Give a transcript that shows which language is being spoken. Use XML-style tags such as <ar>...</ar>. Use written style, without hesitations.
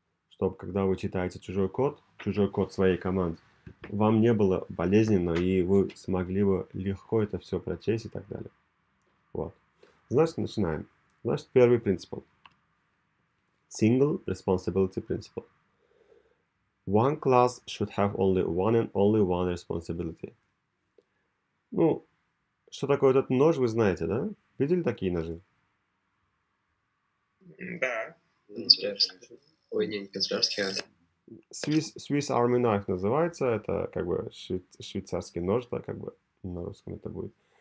<ru>Чтобы когда вы читаете чужой код своей команды, вам не было болезненно, и вы смогли бы легко это все прочесть и так далее. Вот. Значит, начинаем. Значит, первый принцип.</ru> <en>Single responsibility principle. One class should have only one responsibility.</en> <ru>Ну, что такое этот нож, вы знаете, да? Видели такие ножи? Да, канцелярский. Ой, не канцелярский, а... Swiss Army Knife называется, это как бы швейцарский нож, да, как бы на русском это будет.</ru>